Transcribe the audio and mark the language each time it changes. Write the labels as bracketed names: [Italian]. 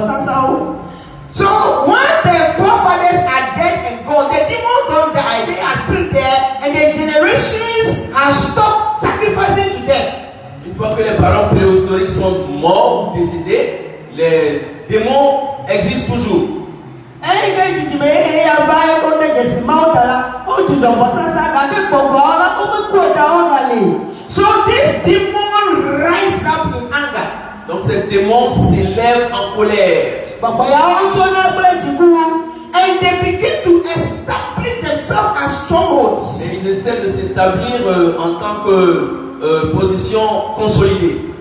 [English] So once their forefathers are dead and gone, the demons don't die, they are still there, and the generations have stopped sacrificing to them. [French] Une fois que les parents préhistoriques sont morts ou décédés, les démons existent toujours. [English] So this demon rises up in anger. [French] Donc ce démon s'élève en colère. [English] And they begin to establish themselves as strongholds. [French] Et ils essaient de s'établir en tant que position consolidée.